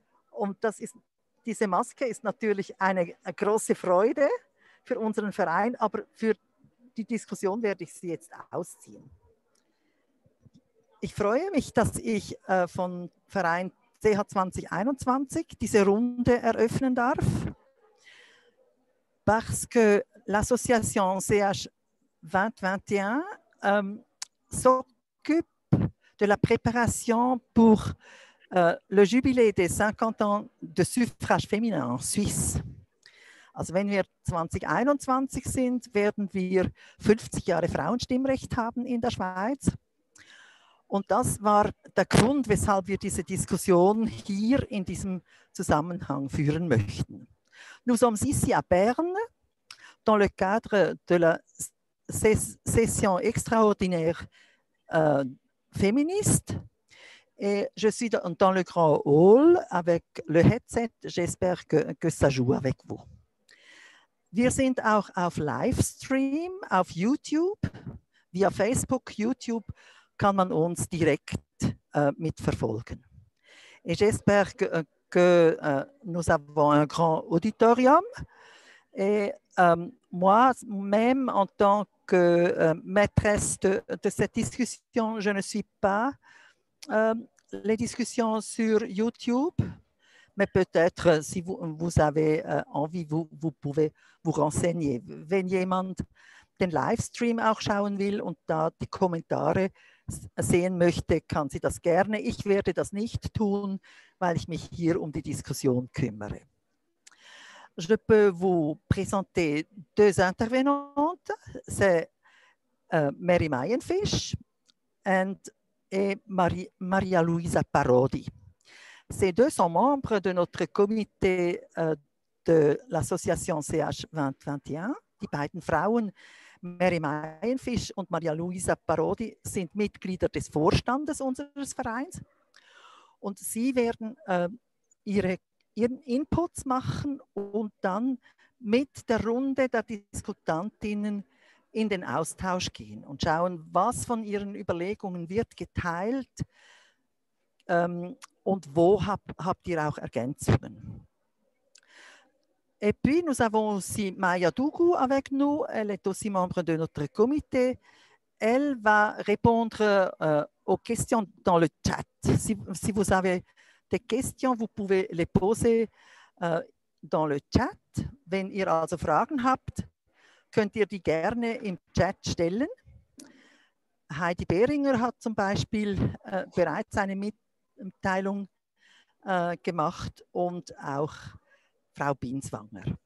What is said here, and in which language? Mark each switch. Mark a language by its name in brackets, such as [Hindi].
[German] Und das ist, diese Maske ist natürlich eine große Freude für unseren Verein, aber für die Diskussion werde ich sie jetzt ausziehen. Ich freue mich, dass ich von Verein CH2021 diese Runde eröffnen darf. [French] Parce que l'association CH2021 s'occupe de la préparation pour le jubilé des 50 ans de suffrage féminin en Suisse. [German] Also wenn wir 2021 sind, werden wir 50 Jahre Frauenstimmrecht haben in der Schweiz. Und das war der Grund, weshalb wir diese Diskussion hier in diesem Zusammenhang führen möchten. [French] Nous sommes ici à Berne, dans le cadre de la session extraordinaire féministe. Et je suis dans le grand hall avec le headset. J'espère que ça joue avec vous. [German] Wir sind auch auf Livestream, auf YouTube. Via Facebook, YouTube kann man uns direkt mitverfolgen. [French] Et j'espère que nous avons un grand auditorium. Et moi-même, en tant que maîtresse de cette discussion, je ne suis pas les discussions sur YouTube, mais peut-être si vous avez envie, vous pouvez vous renseigner. [German] Wenn jemand den Livestream auch schauen will und da die Kommentare sehen möchte, kann sie das gerne. Ich werde das nicht tun, weil ich mich hier um die Diskussion kümmere. [French] Je peux vous présenter deux intervenantes. C'est Mary Mayenfisch et Maria Luisa Parodi. Ces deux sont membres de notre comité de l'association CH2021. [German] Die beiden Frauen, Mary Mayenfisch und Maria Luisa Parodi, sind Mitglieder des Vorstandes unseres Vereins. Und sie werden ihren Inputs machen und dann mit der Runde der Diskutantinnen in den Austausch gehen und schauen, was von ihren Überlegungen wird geteilt, Und wo habt ihr auch Ergänzungen? [French] Et puis, nous avons aussi Maya Dougou avec nous. Elle est aussi membre de notre comité. Elle va répondre aux questions dans le chat. Si vous avez des questions, vous pouvez les poser dans le chat. [German] Wenn ihr also Fragen habt, könnt ihr die gerne im Chat stellen. Heidi Behringer hat zum Beispiel bereits eine Mitteilung gemacht und auch Frau Binswanger.